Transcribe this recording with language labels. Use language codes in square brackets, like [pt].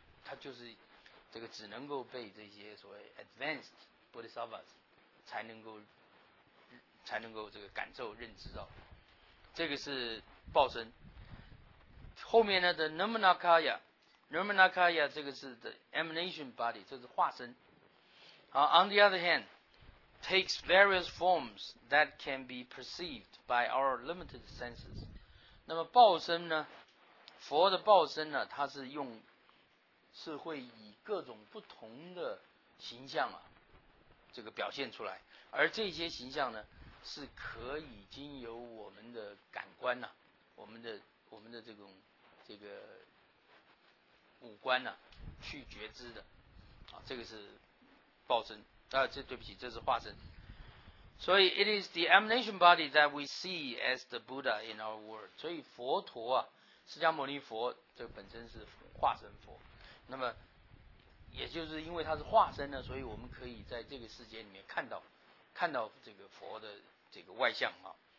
[zh] 他就是这个只能够被这些所谓 [en] advanced bodhisattvas [zh] 才能够这个感受认知到，这个是报身。后面呢的 Nirmanakaya 这个是 [en] the emanation body, [zh] 这是化身。 [en] 好 on the other hand, takes various forms that can be perceived by our limited senses. [zh] 那么报身呢，佛的报身呢，它是用是会以各种不同的形象啊这个表现出来，而这些形象呢是可以经由我们的感官啊，我们的这种这个五官啊去觉知的啊，这个是报身啊，这对不起，这是化身。 [en] 所以 it is the emanation body that we see as the Buddha in our world. [zh] 所以佛陀啊，释迦牟尼佛这个本身是化身佛，那么也就是因为它是化身呢，所以我们可以在这个世界里面看到这个佛的这个外相啊。